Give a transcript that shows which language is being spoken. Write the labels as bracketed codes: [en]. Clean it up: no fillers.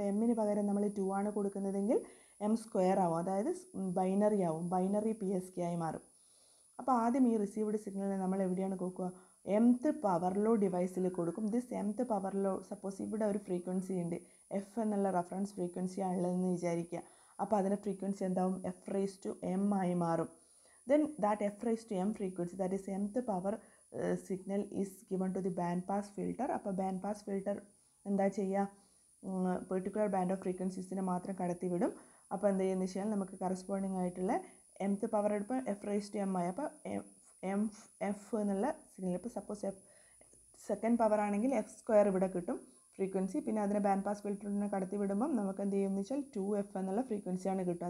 [ml] ഇപ്പോൾ എമ്മിന് പകരം നമ്മൾ ടു ആണ് കൊടുക്കുന്നതെങ്കിൽ എം സ്ക്വയർ ആവും, അതായത് ബൈനറി ആവും, ബൈനറി പി എസ് കെ ആയി മാറും. അപ്പോൾ ആദ്യം ഈ റിസീവ്ഡ് സിഗ്നലിനെ നമ്മൾ എവിടെയാണ് കൊടുക്കുക, എംത്ത് പവർ ലോ ഡിവൈസിൽ കൊടുക്കും. ദിസ് എംത്ത് പവർ ലോ, സപ്പോസ് ഇവിടെ ഒരു ഫ്രീക്വൻസി ഉണ്ട്, എഫ് എന്നുള്ള റെഫറൻസ് ഫ്രീക്വൻസി ആണുള്ളതെന്ന് വിചാരിക്കുക. അപ്പോൾ അതിൻ്റെ ഫ്രീക്വൻസി എന്താവും, എഫ് റേസ് ടു എം ആയി മാറും. [en] Then that f raised to m frequency, that is mth power signal, is given to the band pass filter. [ml] Appa band pass filter enda cheya, particular band of ഫ്രീക്വൻസീസിനെ മാത്രം കടത്തിവിടും. അപ്പോൾ എന്ത് ചെയ്യുന്നത് വെച്ചാൽ നമുക്ക് corresponding ആയിട്ടുള്ള എംത്ത് power എടുപ്പം F raise to M ആയി, അപ്പോൾ F എന്നുള്ള സിഗ്നൽ. ഇപ്പോൾ സപ്പോസ് എഫ് സെക്കൻഡ് പവർ ആണെങ്കിൽ എഫ് സ്ക്വയർ ഇവിടെ കിട്ടും ഫ്രീക്വൻസി. പിന്നെ അതിനെ ബാൻഡ് പാസ് ഫിൽട്ടറിനെ കടത്തി വിടുമ്പം നമുക്ക് എന്ത് ചെയ്യുമെന്ന് വെച്ചാൽ 2f എന്നുള്ള ഫ്രീക്വൻസിയാണ് കിട്ടുക.